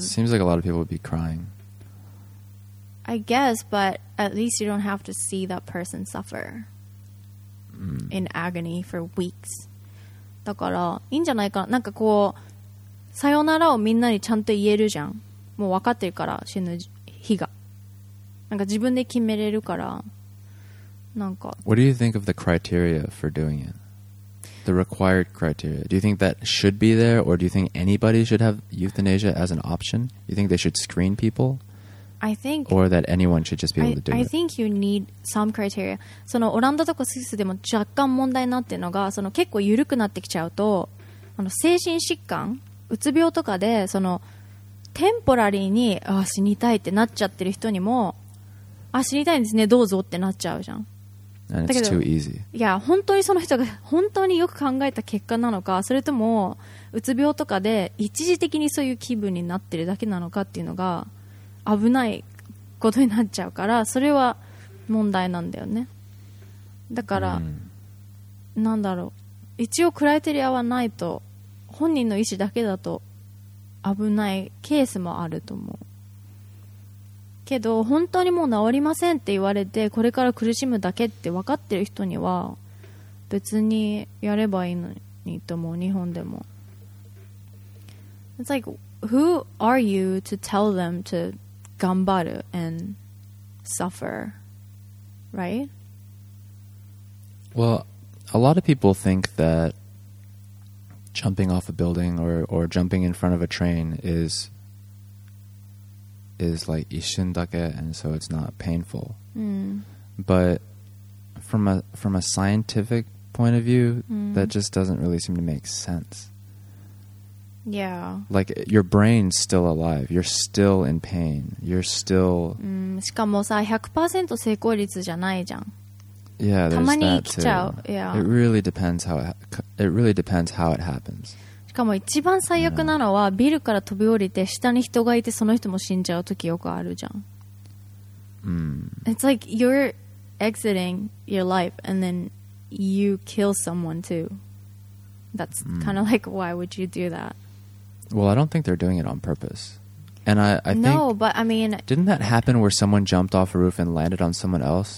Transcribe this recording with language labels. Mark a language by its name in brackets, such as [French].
[English] Seems like a lot of people would be crying, I guess, but at least you don't have to see that person suffer、in agony for weeks. [Japanese] だからいいんじゃないかな、なんかこうさよならをみんなにちゃんと言えるじゃん、もう分かってるから死ぬ日が、なんか自分で決めれるから、なんか [English] What do you think of the criteria for doing it? The required criteria. Do you think that should be there, or do you think anybody should have euthanasia as an option? You think they should screen people? I think, or that anyone should just be able to do it. I think you need some criteria. [Japanese] そのオランダとかスイスでも若干問題になってるのが、その結構緩くなってきちゃうと、あの精神疾患、うつ病とかでそのテンポラリーに、あ、死にたいってなっちゃってる人にも、あ、死にたいんですね、どうぞってなっちゃうじゃん。だけど、 [English] too easy. [Japanese] いや、本当にその人が本当によく考えた結果なのか、それともうつ病とかで一時的にそういう気分になってるだけなのかっていうのが危ないことになっちゃうから、それは問題なんだよね。だから、なんだろう、一応クライテリアはないと、本人の意思だけだと危ないケースもあると思う。けど本当にもう治りませんって言われてこれから苦しむだけって分かってる人には別にやればいいのにと思う、日本でも。 [English] It's like, who are you to tell them to [Japanese] 頑張る [English] and suffer, right? Well, a lot of people think thatjumping off a building or jumping in front of a train is like [Japanese] 一瞬だけ, [English] and so it's not painful. But from a scientific point of view, that just doesn't really seem to make sense. Yeah. Like your brain's still alive. You're still in pain. You're still. [Japanese] しかもさ 100% 成功率じゃないじゃん。 Yeah, たまに来ちゃう、 [English] yeah. It really depends how it happens. [Japanese] しかも一番最悪なのは、ビルから飛び降りて下に人がいてその人も死んじゃうときよくあるじゃん。 [English] It's like you're exiting your life and then you kill someone too. That's kind of like, why would you do that? Well, I don't think they're doing it on purpose. And I think, no, but I mean, didn't that happen where someone jumped off a roof and landed on someone else?